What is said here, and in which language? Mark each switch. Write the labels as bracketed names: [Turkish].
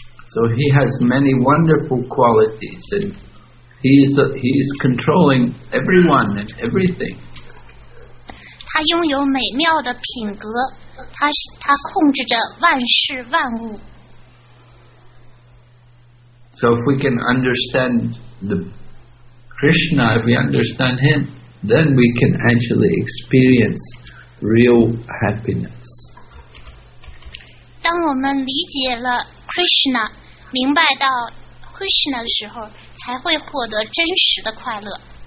[English] So he has many wonderful qualities, and he is controlling everyone and everything. [Chinese] 他拥有美妙的品格，他控制着万事万物。 [English] So if we can understand the Krishna, if we understand him, then we can actually experience real happiness. [Chinese] 当我们理解了 Krishna, 明白到 Krishna 的时候，才会获得真实的快乐。